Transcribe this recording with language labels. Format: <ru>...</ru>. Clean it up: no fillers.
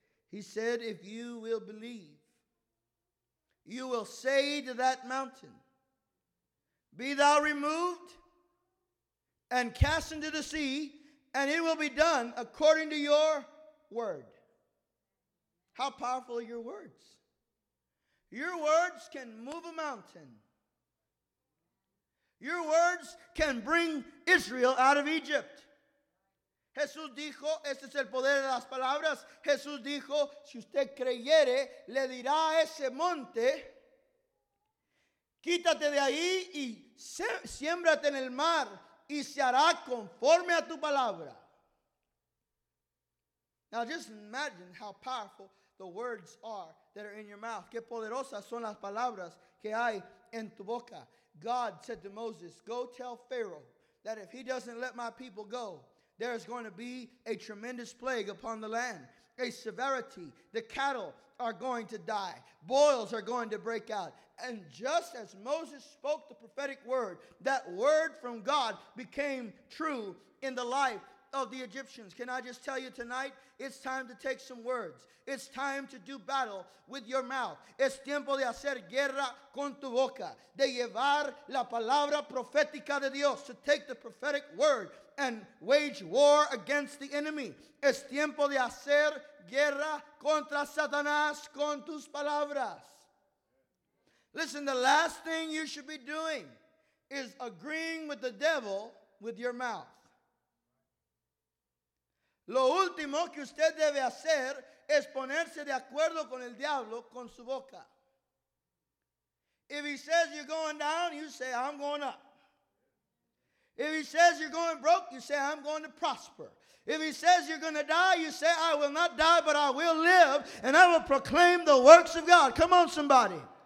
<en>He said, if you will believe, you will say to that mountain, be thou removed and cast into the sea, and it will be done according to your word. How powerful are your words? Your words can move a mountain. Your words can bring Israel out of Egypt.</en> <es>Jesús dijo, este es el poder de las palabras. Jesús dijo, si usted creyere, le dirá a ese monte, quítate de ahí y siémbrate en el mar, y se hará conforme a tu palabra.</es> <en>Now just imagine how powerful the words are that are in your mouth.</en> <es>Qué poderosas son las palabras que hay en tu boca.</es> <en>God said to Moses, go tell Pharaoh that if he doesn't let my people go, there is going to be a tremendous plague upon the land, a severity. The cattle are going to die. Boils are going to break out. And just as Moses spoke the prophetic word, that word from God became true in the life of the Egyptians. Can I just tell you tonight, it's time to take some words. It's time to do battle with your mouth.</en> <es>Es tiempo de hacer guerra con tu boca, de llevar la palabra profética de Dios,</es> <en>to take the prophetic word and wage war against the enemy.</en> <es>Es tiempo de hacer guerra contra Satanás con tus palabras.</es> <en>Listen, the last thing you should be doing is agreeing with the devil with your mouth.</en> <es>Lo último que usted debe hacer es ponerse de acuerdo con el diablo con su boca.</es> <en>If he says you're going down, you say, I'm going up. If he says you're going broke, you say, I'm going to prosper. If he says you're going to die, you say, I will not die, but I will live, and I will proclaim the works of God. Come on, somebody.</en>